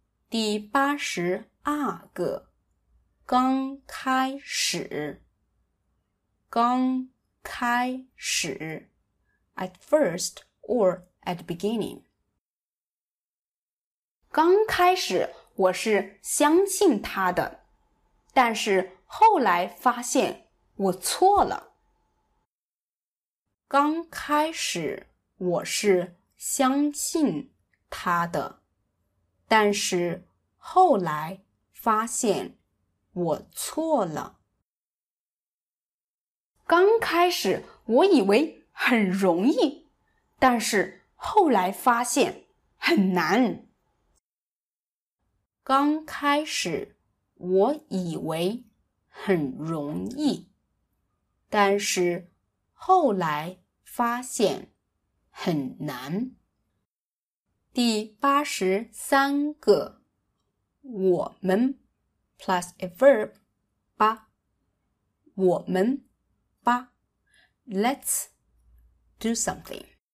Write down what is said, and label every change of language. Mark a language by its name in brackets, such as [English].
[Chinese] 第八十二个，刚开始，刚开始 [English] ，at first or at the beginning。 [Chinese] 刚开始，我是相信他的，但是后来发现我错了。刚开始我是相信他的，但是后来发现我错了。刚开始我以为很容易，但是后来发现很难。刚开始我以为很容易，但是后来发现很难。第八十三个，我们 [English] plus a verb 吧， [Chinese] 我们吧 [English] ，let's do something，